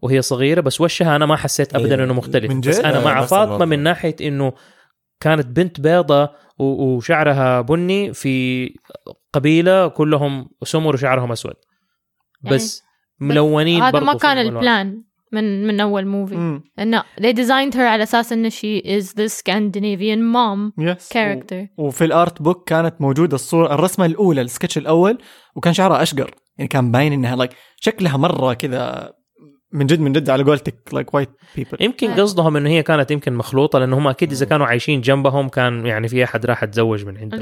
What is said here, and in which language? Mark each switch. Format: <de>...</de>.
<ar>وهي صغيرة، بس وشها أنا ما حسيت أبدا إنه مختلف. بس أنا مع فاطمة من ناحية إنه كانت بنت بيضة وشعرها بني في قبيلة كلهم سمر وشعرهم أسود بس يعني ملونين. هذا ما كان البلان من أول موفي.</ar> <en>No, they designed her</en> <ar>على أساس إن</ar> <en>she is the Scandinavian mom yes. character.</en> <ar>وفي الأرت بوك كانت موجودة الصورة الرسمة الأولى السكتش الأول وكان شعرها أشقر، يعني كان باين إنها like شكلها مرة كذا من جد من جد على قولتك</ar> <en>like white people.</en> <ar>يمكن قصدهم إنه هي كانت يمكن مخلوطة لأنه هم أكيد إذا كانوا عايشين جنبهم كان يعني في أحد راح تزوج من عندهم.</ar>